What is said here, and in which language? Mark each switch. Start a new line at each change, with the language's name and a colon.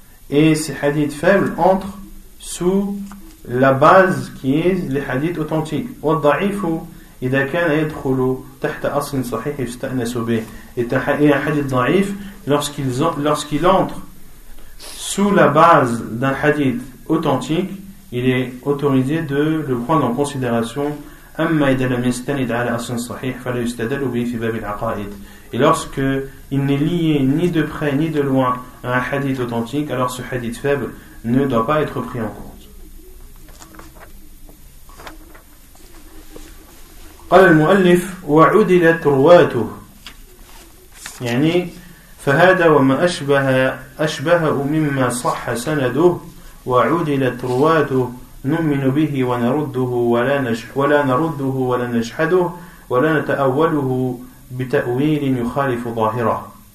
French: Et ces hadiths faibles entrent sous la base qui est les hadiths authentiques. Et les hadiths faibles,
Arabic: إذا كان يدخل تحت أصل صحيح يستأنس به.
French: Et un hadith da'if, lorsqu'il entre sous la base d'un hadith authentique, il est autorisé de le prendre en considération.
Arabic: أما إذا لم يستند على أصل صحيح فلا يستدل به في باب العقائد.
French: Et lorsque il n'est lié ni de près ni de loin à un hadith authentique, alors ce hadith faible ne doit pas être pris en compte.
Arabic: قال المؤلف وعدلت رواته يعني فهذا وما أشبهه مما صح سنده وعدلت رواته نؤمن به ونرده ولا نرده ولا نجحده ولا نتأوله بتأويل يخالف ظاهره.